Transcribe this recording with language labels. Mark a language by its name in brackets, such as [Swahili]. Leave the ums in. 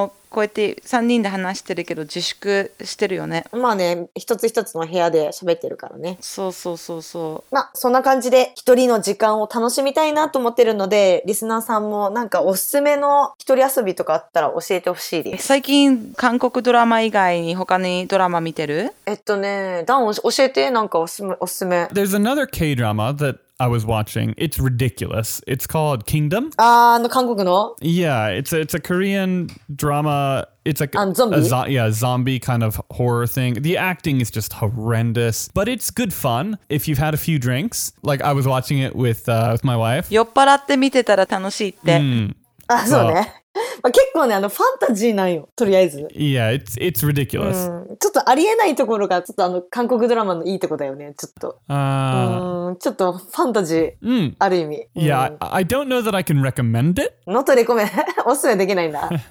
[Japanese] こうやって3人で話してるけど自粛してるよねまあね一つ一つの部屋で喋ってるからねそうそうそうそうまあそんな感じで一人の時間を楽しみたいなと思ってるのでリスナーさんもなんかおすすめの一人遊びとかあったら教えてほしいです最近韓国ドラマ以外に他にドラマ見てるえっとねダン教えてなんかおすすめおすすめ [English] There's another K-drama that I was watching. It's ridiculous. It's called Kingdom. Uh, no yeah, it's a, it's a Korean drama. It's like um, zombie. a, a yeah, a zombie kind of horror thing. The acting is just horrendous, but it's good fun if you've had a few drinks. Like I was watching it with uh, with my wife. [Japanese] 酔っ払って見てたら楽しいって。 [English] Mm. Well, ah, so, [Japanese] まあ、結構ね、あの、ファンタジーなんよ、とりあえず。 [English] いや、yeah,、it's, it's ridiculous.、 [Japanese] うん、ちょっとありえないところが、ちょっとあの、韓国ドラマのいいとこだよね、ちょっと。 Uh、うん、ちょっとファンタジー、うん、ある意味。 [English] いや、うん、I don't know that I can recommend it. [Japanese] のとレコメおすめできないんだ。